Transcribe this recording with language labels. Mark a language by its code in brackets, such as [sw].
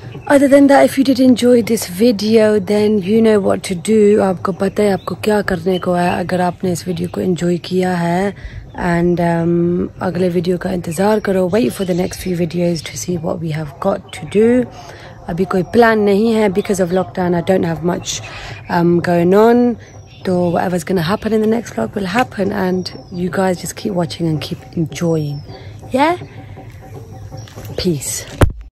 [en] Other than that, if you did enjoy this video, then you know what to do. [hi] आपको पता है आपको क्या करने को है अगर आपने इस वीडियो को enjoy किया है। And अगले वीडियो का इंतज़ार करो। [en] Wait for the next few videos to see what we have got to do. [hi] अभी कोई plan नहीं है [en] because of lockdown. I don't have much going on. So whatever's going to happen in the next vlog will happen. And you guys just keep watching and keep enjoying. Yeah? Peace.